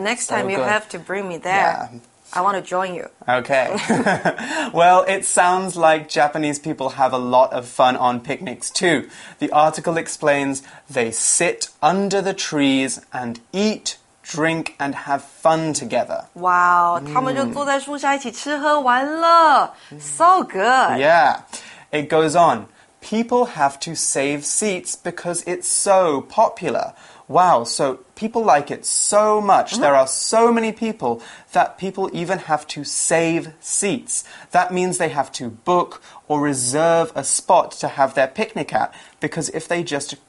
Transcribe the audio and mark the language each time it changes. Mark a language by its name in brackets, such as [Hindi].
[English] Next time you have to bring me there. Yeah. I want to join you. Okay. Well, it sounds like Japanese people have a lot of fun on picnics too. The article explains they sit under the trees and eat, drink, and have fun together. Wow. [Chinese] 他们就坐在树下一起吃喝玩乐。 [English] So good. Yeah. It goes on. People have to save seats because it's so popular. Wow, so people like it so much. Mm-hmm. There are so many people that people even have to save seats. That means they have to book or reserve a spot to have their picnic at because if they just